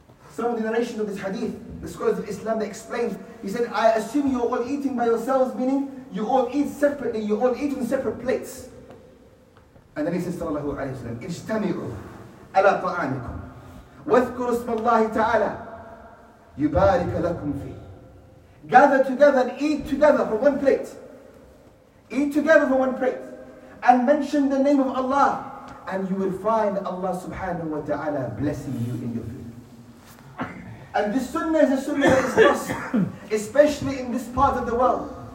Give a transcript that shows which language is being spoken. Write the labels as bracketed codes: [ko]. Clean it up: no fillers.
[en] Some of the narration of this hadith, the scholars of Islam, they explained, he said, I assume you're all eating by yourselves, meaning you all eat separately, you all eat on separate plates. And then he says, [ar] sallallahu alayhi wa sallam, اجتمعوا على طعامكم واذكروا اسم الله تعالى يبارك لكم فيه. [en] Gather together and eat together from one plate. Eat together from one plate. And mention the name of Allah and you will find Allah subhanahu wa ta'ala blessing you in your food. And this sunnah is a sunnah that is lost, especially in this part of the world.